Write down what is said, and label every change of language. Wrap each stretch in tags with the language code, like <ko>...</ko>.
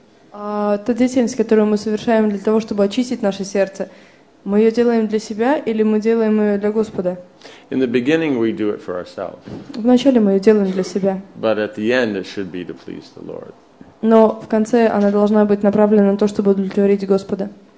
<ru>Та деятельность, которую мы совершаем для того, чтобы очистить наше сердце, мы ее делаем для себя или мы делаем ее для Господа?</ru> <en>In the beginning we do it for ourselves.</en> <ru>Вначале мы ее делаем для себя.</ru> <en>But at the end it should be to please the Lord.</en> <ru>Но в конце она должна быть направлена на то, чтобы удовлетворить Господа.</ru>